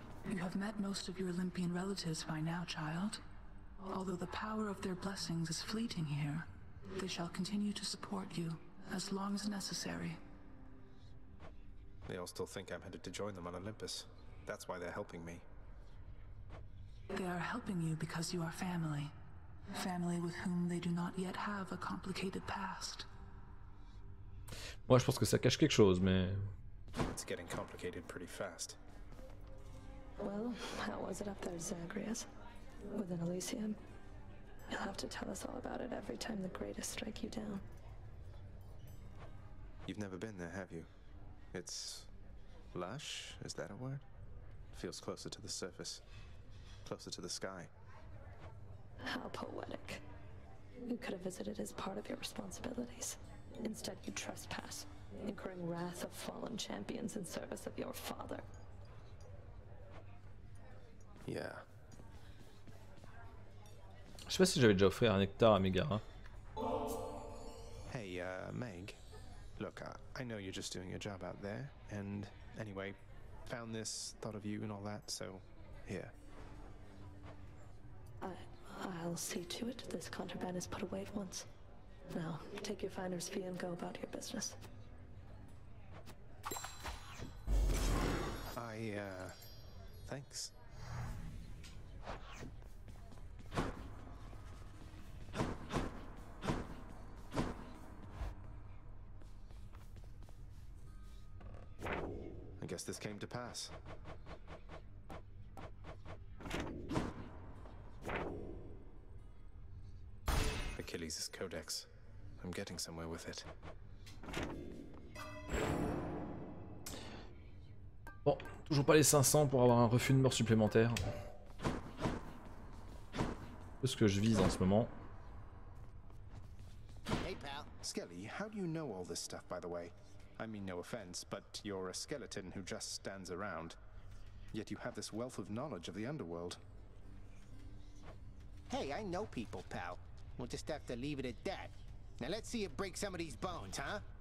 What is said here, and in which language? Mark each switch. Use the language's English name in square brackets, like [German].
[English] You have met most of your Olympian relatives by now, child. Although the power of their blessings is fleeting here, they shall continue to support you as long as necessary. They all still think I'm headed to join them on Olympus. That's why they're helping me. They are helping you because you are family. Family with whom they do not yet have a complicated past. [French] Moi, je pense que ça cache quelque chose, mais... [English] It's getting complicated pretty fast. Well, how was it up there, Zagreus? With an Elysium? You'll have to tell us all about it every time the greatest strike you down. You've never been there, have you? It's... lush? Is that a word? Feels closer to the surface. Closer to the sky. How poetic. You could have visited as part of your responsibilities. Instead, you trespass, incurring wrath of fallen champions in service of your father. Yeah. [French] Je sais pas si j'avais déjà offert un nectar à Megara. [English] Hey, Meg. Look, I know you're just doing your job out there, and anyway, found this, thought of you and all that, so here. I'll see to it. This contraband is put away at once. Now, take your finder's fee and go about your business. Thanks. I guess this came to pass. Achilles' Codex. I'm getting somewhere with it. [French] Bon, toujours pas les 500 pour avoir un refus de mort supplémentaire. C'est ce que je vise en ce moment. [English] Hey pal, Skelly, how do you know all this stuff, by the way? I mean no offense, but you're a skeleton who just stands around. Yet you have this wealth of knowledge of the underworld. Hey, I know people, pal. We'll just have to leave it at that. Now let's see you break some of these bones, huh?